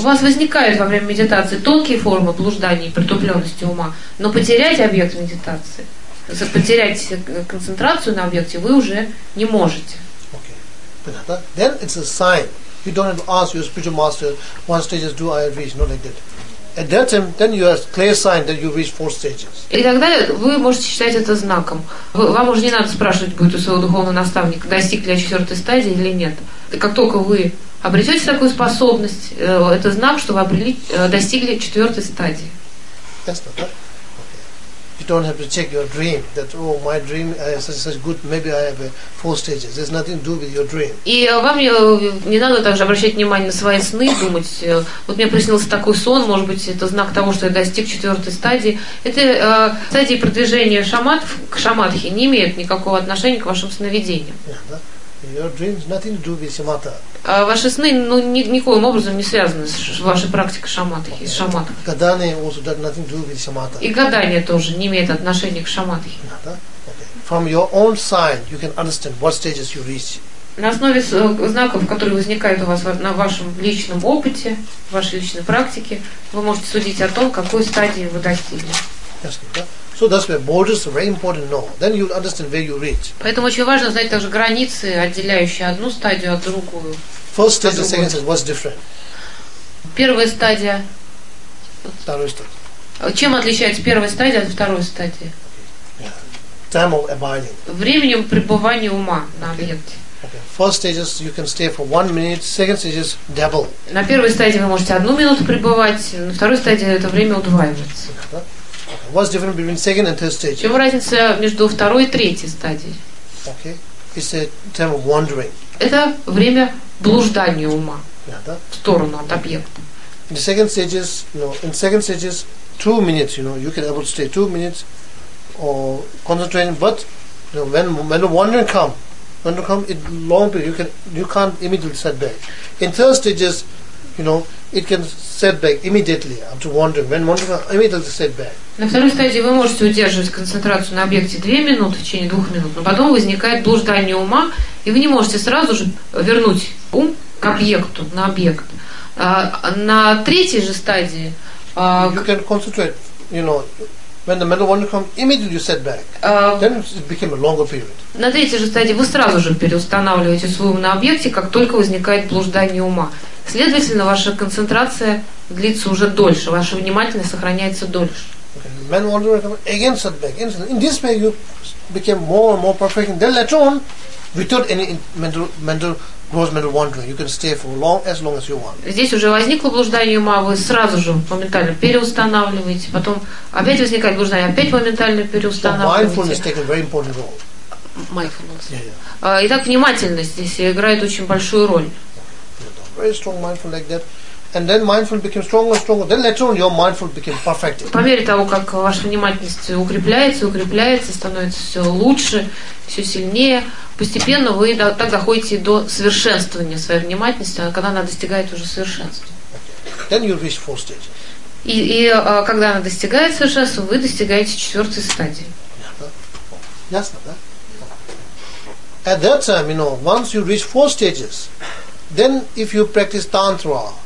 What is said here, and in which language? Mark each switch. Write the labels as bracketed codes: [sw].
[ru] У вас возникают во время медитации тонкие формы блужданий, притупленности ума, но потерять объект медитации, потерять концентрацию на объекте вы уже не можете. [en] Okay. But then it's a sign. You don't have to ask your spiritual master, one stage do I reach? Not like that. At that time, then you have clear sign that you reach four stages. [ru] И тогда вы можете считать это знаком. Вам уже не надо спрашивать будет у своего духовного наставника, достиг ли я четвертой стадии или нет. Как только вы обретете такую способность, это знак, что вы обрели, достигли четвертой стадии. [en] That's not that. You don't have to check your dream. That oh, my dream is such good. Maybe I have four stages. There's nothing to do with your dream. [ru] И вам не надо также обращать внимание на свои сны, думать. Вот мне приснился такой сон. Может быть, это знак того, что я достиг четвертой стадии. Это стадии продвижения шаматов к шаматхе не имеют никакого отношения к вашим сновидениям. [en] Your dreams nothing to do with shamatha. [ru] Ваши сны, ну, никоим образом не связаны с вашей практикой шаматхи, с шаматом. Гадания [en] also does nothing to do with shamatha. [ru] И гадание тоже не имеет отношения к шаматхе. [en] From your own sign, you can understand what stages you reach. [ru] На основе знаков, которые возникают у вас на вашем личном опыте, в вашей личной практике, вы можете судить о том, какой стадии вы достигли. [en] So that's where borders are very important. No, then you'll understand where you reach. [ru] Поэтому очень важно знать также границы, отделяющие одну стадию от другую. [en] First stage, the second stage, what's different? [ru] Первая стадия. Вторая стадия. Чем отличается первая стадия от второй стадии? [en] Okay. Yeah. Time of abiding. [ru] Временем пребывания ума на объекте. [en] Okay. First stage is you can stay for 1 minute. Second stage is double. [ru] На первой стадии вы можете одну минуту пребывать, на второй стадии это время удваивается. [en] What's different between second and third stage? [ru] Чем разница между второй и третьей стадией? [en] Okay, it's a time of wandering. [ru] Это время блуждания ума в сторону от объекта. [en] In the second stages, no. In second stages, 2 minutes, you know, you can able to stay 2 minutes or concentrating. But you know, when the wandering comes, it long period. You can't immediately set back. In third stages, you know, it can set back immediately after wandering. When wandering comes, immediately set back. [ru] На второй стадии вы можете удерживать концентрацию на объекте 2 минуты, в течение 2 минут, но потом возникает блуждание ума, и вы не можете сразу же вернуть ум к объекту, на объект. На третьей же стадии... [en] You can concentrate, you know, when the mental wandering comes, immediately you set back. Then it became a longer period. [ru] На третьей же стадии вы сразу же переустанавливаете свой ум на объекте, как только возникает блуждание ума. Следовательно, ваша концентрация длится уже дольше, ваша внимательность сохраняется дольше. [en] Man wandering again set back. In this way, you became more and more perfect. And then later on, without any mental wandering, you can stay for as long as you want. [ru] Здесь уже возникло блуждание ума, вы сразу же моментально переустанавливаете. Потом опять возникает блуждание, опять моментально переустанавливаете. [en] So mindfulness takes a very important role. Mindfulness. Yeah, yeah. [ru] Итак, внимательность здесь играет очень большую роль. [en] Very strong mindfulness like that. And then mindfulness became stronger and stronger. Then later on, your mindfulness became perfected. [ru] По мере того, как ваша внимательность укрепляется, становится все лучше, все сильнее, постепенно вы так доходите до совершенствования своей внимательности, когда она достигает уже совершенства. [en] Then you reach fourth stage. [ru] И когда она достигает совершенства, вы достигаете четвертой стадии. Ясно, да? [en] At that time, you know, once you reach four stages, then if you practice tantra,